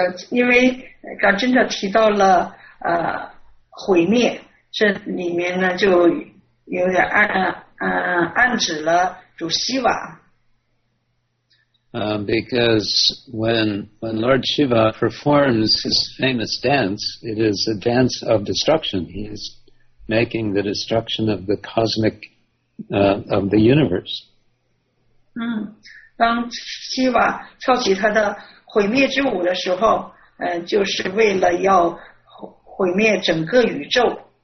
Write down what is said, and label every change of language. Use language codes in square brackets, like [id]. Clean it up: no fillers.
[zh] 因为刚真的提到了毁灭，这里面呢就有点暗指了主希瓦。 [en] Because when Lord Shiva performs his famous dance, it is a dance of destruction. He is making the destruction of the cosmic of the universe. [zh] 当希瓦跳起他的毁灭之舞的时候，就是为了要毁灭整个宇宙。